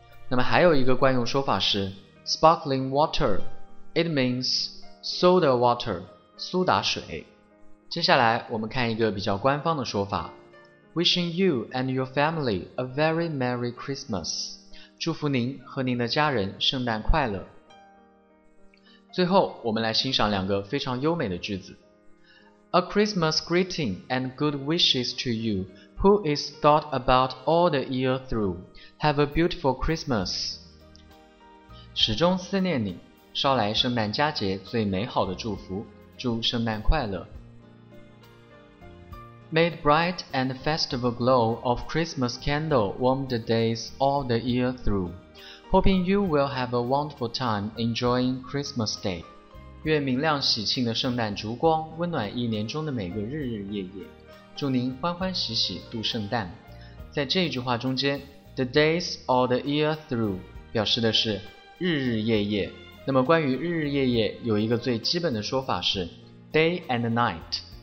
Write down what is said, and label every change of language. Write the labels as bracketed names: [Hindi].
[Chinese] 那么还有一个惯用说法是 [English] sparkling water， it means soda water， [Chinese] 苏打水。接下来我们看一个比较官方的说法， [English] wishing you and your family a very merry Christmas， [Chinese] 祝福您和您的家人圣诞快乐。最后我们来欣赏两个非常优美的句子。 [English] A Christmas greeting and good wishes to you who is thought about all the year through. Have a beautiful Christmas. [Chinese] 始终思念你，捎来圣诞佳节最美好的祝福，祝圣诞快乐。 [English] May the bright and festive glow of Christmas candle warm the days all the year through. Hoping you will have a wonderful time enjoying Christmas Day. [Chinese] 愿明亮喜庆的圣诞烛光温暖一年中的每个日日夜夜，祝您欢欢喜喜度圣诞。在这一句话中间 [English] The days all the year through [Chinese] 表示的是日日夜夜。那么关于日日夜夜有一个最基本的说法是 [English] Day and night。